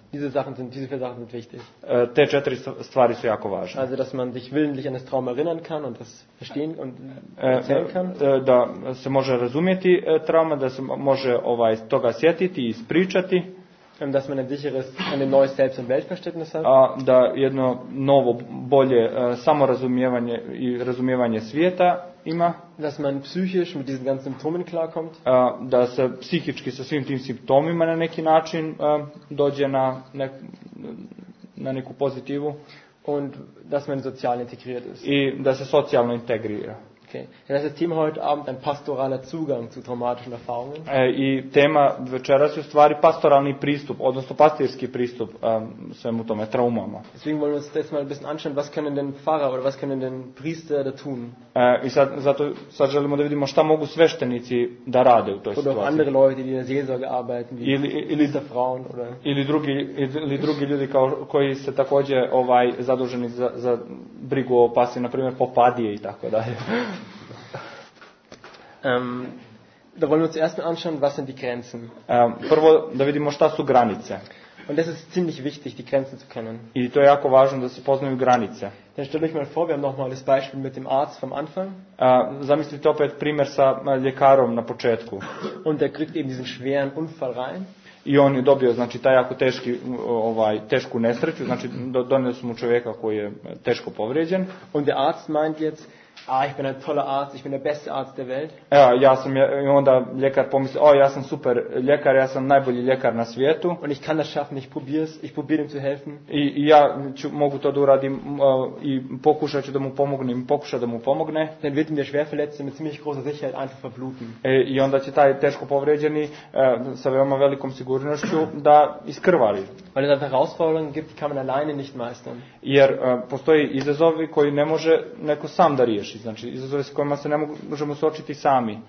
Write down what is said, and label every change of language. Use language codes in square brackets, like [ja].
[de] Diese Sachen sind wichtig. [sr] Te četiri stvari su jako važne. [de] Also, dass man sich willentlich an das Trauma erinnern kann und das verstehen und erzählen kann. [sr] Da se može razumjeti trauma, da se može toga sjetiti i ispričati. [de] Dass man ein sicheres, ein neues Selbst- und Weltverständnis hat. [sr] Da jedno novo, bolje samorazumijevanje i razumijevanje svijeta ima. [de] Dass man psychisch mit diesen ganzen Symptomen klarkommt. [sr] Da se psihički sa svim tim simptomima na neki način dođe na neku pozitivu. [de] Und dass man sozial integriert ist. [sr] I da se socijalno integrira. Okay. [de] Das ist das Thema heute Abend, ein pastoraler Zugang zu traumatischen Erfahrungen. [sr] I tema večeras je u stvari pastoralni pristup, odnosno pastirski pristup svemu tome traumama. [de] Deswegen wollen wir uns jetzt mal ein bisschen anschauen, was können denn Pfarrer oder was können denn Priester da tun? [sr] Zato želimo da vidimo šta mogu sveštenici da rade u toj situaciji. [de] Oder andere Leute, die in der Seelsorge arbeiten, wie [sr] ili [de] Frauen oder [sr] ili drugi ljudi koji se također zaduženi za brigu o pasti, na primjer popadije i tako dalje. [de] Da wollen wir uns erstmal anschauen, was sind die Grenzen. [sr] Prvo da vidimo šta su granice. [de] Und das ist ziemlich wichtig, die Grenzen zu kennen. [sr] I to je jako važno da se poznaju granice. [de] Dann stell euch mal vor, wir haben nochmal das Beispiel mit dem Arzt vom Anfang. [sr] Zamislite opet primer sa ljekarom na početku. [de] Und er kriegt eben diesen schweren Unfall rein. [sr] I on je dobio, znači, taj jako teški, ovaj, tešku nesreću, znači, donio su mu čovjeka koji je teško povrijeđen. [de] Und der Arzt meint jetzt, ich bin ein toller Arzt, ich bin der beste Arzt der Welt. [sr] I onda ljekar pomisli, ja sam super ljekar, ja sam najbolji ljekar na svijetu. [de] Und ich kann das schaffen, ich probiere ihm zu helfen. [sr] I ja ću, mogu to da uradim, i pokušat ću da mu pomognem, pokuša da mu pomogne. [de] Dann wird ihm der Schwerverletzte mit ziemlich großer Sicherheit einfach verbluten. [sr] I onda će taj teško povrijeđeni sa veoma velikom sigurnošću da iskrvari. [de] Weil es einfach Herausforderungen gibt, die kann man alleine nicht meistern. [sr] Jer postoji izazovi koji ne može neko sam da riješi. Znači, izazovi s kojima se ne možemo suočiti sami.